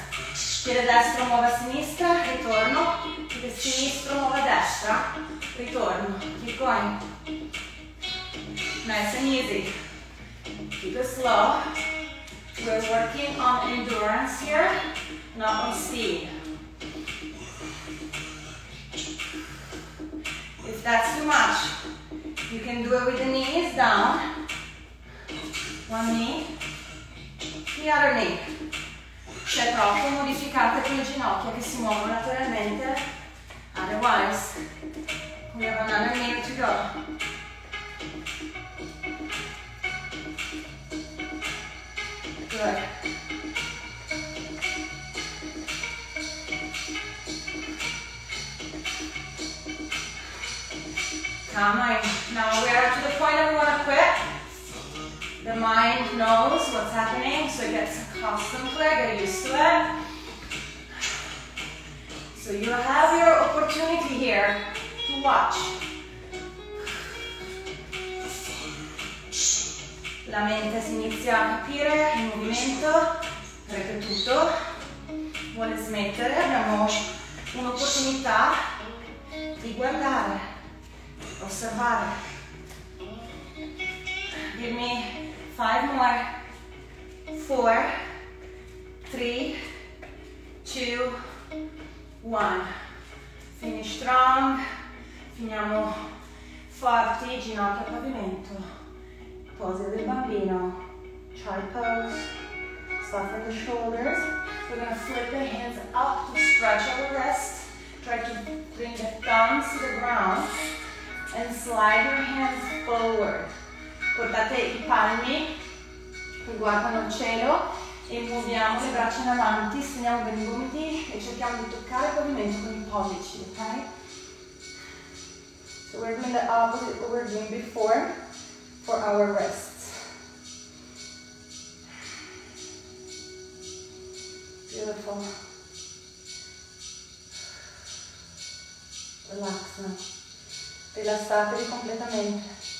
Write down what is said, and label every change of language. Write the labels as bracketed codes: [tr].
[it] Piede destro muove a sinistra, ritorno, piede sinistro muove a destra, ritorno, [en] keep going. Nice and easy. Keep it slow. We're working on endurance here, not on speed. If that's too much, you can do it with the knees down. One knee, the other knee. [it] Se troppo, modificate con le ginocchia che si muovono lateralmente. [en] Otherwise, we have another knee to go. Good. Come on. Now we are to the point that we want to quit. The mind knows what's happening, so it gets accustomed to it, get used to it. So you have your opportunity here to watch. [it] La mente si inizia a capire il movimento, perché tutto vuole smettere, abbiamo un'opportunità di guardare, osservare. [en] Give me 5 more, 4, 3, 2, 1. Finish strong, [it] finiamo forti, ginocchia a pavimento. Pose del bambino, [en] child pose, soften the shoulders. We're gonna flip the hands up to stretch our wrist. Try to bring the thumbs to the ground and slide your hands forward. [it] Portate i palmi che guardano il cielo e muoviamo le braccia in avanti, stendiamo bene i gomiti e cerchiamo di toccare il pavimento con i pollici, ok? [en] So we're doing the opposite of what we're doing before. For our wrists. Beautiful. Relax now. [it] Rilassatevi completamente.